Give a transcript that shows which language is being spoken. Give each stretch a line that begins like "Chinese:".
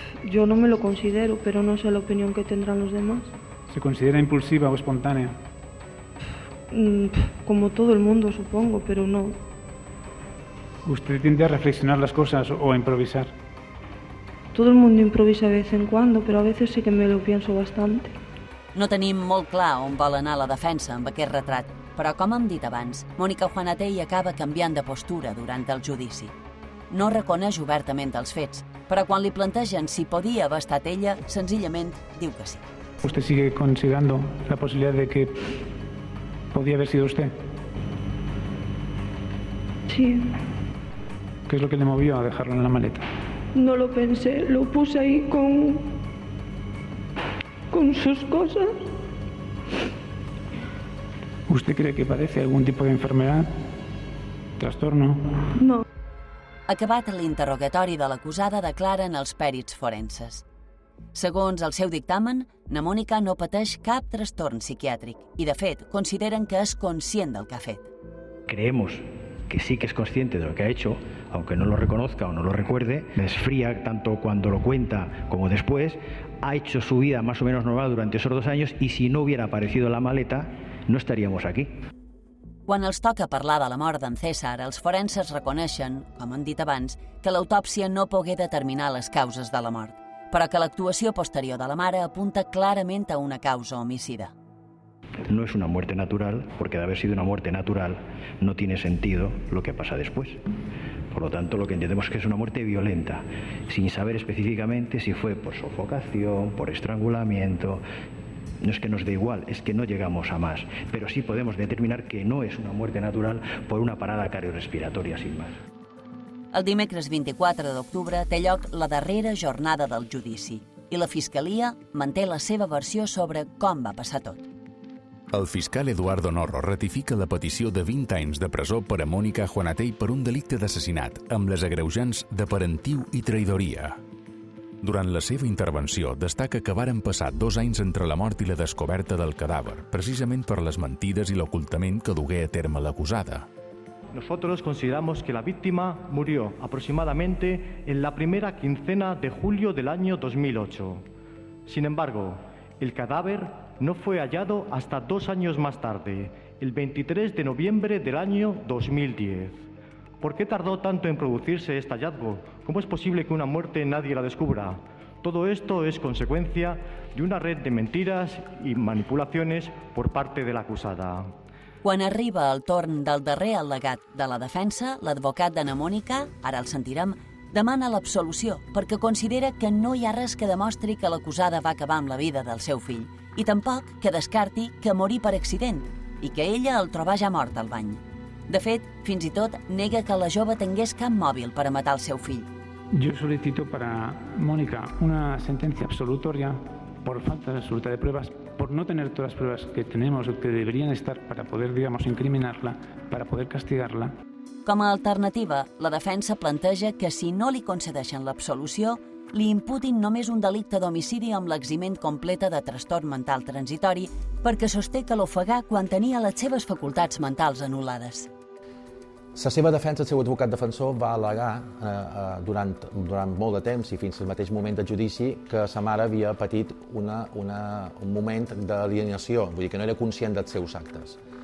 Spanish: Yo no me lo considero, pero no sé la opinión que tendrán los demás. ¿Se considera impulsiva o espontánea? Como todo el mundo, supongo, pero no. ¿Usted tiende a reflexionar las cosas o a improvisar? Todo el mundo improvisa de vez en cuando, pero a veces sí que me lo pienso bastante.
Catalan: No tenim molt clar on vol anar la defensa amb aquest retrat, però com hem dit abans, Mònica Juanatey acaba canviant de postura durant el judici. No reconeix obertament els fets, però quan li plantegen si podia haver estat ella, senzillament diu que sí.
Spanish: ¿Usted sigue considerando la posibilidad de que podía haber sido usted? Sí. ¿Qué es lo que le movió a dejarlo en la maleta? No lo pensé, lo puse ahí con sus cosas. ¿Usted cree que padece algún tipo de enfermedad? ¿Trastorno? No.
Catalan: Acabat l'interrogatori de l'acusada, declaren els pèrits forenses. Segons el seu dictamen, na Mònica no pateix cap trastorn psiquiàtric i, de fet, consideren que és conscient del que ha fet.
Spanish: Creemos que sí que es consciente de lo que ha hecho, aunque no lo reconozca o no lo recuerde, es fría tanto cuando lo cuenta como después, ha hecho su vida más o menos normal durante esos 2 años y si no hubiera aparecido la maleta, no estaríamos aquí.
Catalan: Quan els toca parlar de la mort d'en César, els forenses reconeixen, com han dit abans, que l'autòpsia no pogué determinar les causes de la mort, però que l'actuació posterior de la mare apunta clarament a una causa homicida.
Spanish: No es una muerte natural, porque de haber sido una muerte natural no tiene sentido lo que pasa después. Por lo tanto, lo que entendemos es que es una muerte violenta, sin saber específicamente si fue por sofocación, por estrangulamiento. No es que nos dé igual, es que no llegamos a más. Pero sí podemos determinar que no es una muerte natural por una parada cardiorrespiratoria sin más.
Catalan: El dimecres 24 d'octubre té lloc la darrera jornada del judici i la Fiscalia manté la seva versió sobre com va passar tot. El fiscal Eduardo Norro ratifica la petició de 20 anys de presó per a Mònica Juanatey per un delicte d'assassinat, amb les agreujants de parentiu i traïdoria. Durant la seva intervenció, destaca que varen passar 2 anys entre la mort i la descoberta del cadàver, precisament per les mentides i l'ocultament que dugué a terme l'acusada.
Spanish: Nosotros consideramos que la víctima murió aproximadamente en la primera quincena de julio del año 2008. Sin embargo, el cadáver no fue hallado hasta 2 años más tarde, el 23 de noviembre del año 2010. ¿Por qué tardó tanto en producirse este hallazgo? ¿Cómo es posible que una muerte nadie la descubra? Todo esto es consecuencia de una red de mentiras y manipulaciones por parte de la acusada.
Catalan: Quan arriba el torn del darrer al·legat de la defensa, l'advocat d'Anna Mònica, ara el sentirem, demana l'absolució perquè considera que no hi ha res que demostri que l'acusada va acabar amb la vida del seu fill i tampoc que descarti que morí per accident i que ella el troba ja mort al bany. De fet, fins i tot nega que la jove tingués cap mòbil per a matar el seu fill.
Spanish: Yo solicito para Mónica una sentencia absolutoria por falta absoluta de pruebas, por no tener todas las pruebas que tenemos o que deberían estar para poder, digamos, incriminarla, para poder castigarla.
Catalan: Com a alternativa, la defensa planteja que si no li concedeixen l'absolució, li imputin només un delicte d'homicidi amb l'eximent completa de trastorn mental transitori perquè sosté que l'ofegà quan tenia les seves facultats mentals anul·lades. La seva defensa, el seu advocat defensor, va al·legar durant molt de temps i fins al mateix moment del judici que sa mare havia patit un moment d'alienació, vull dir que no era conscient dels seus actes.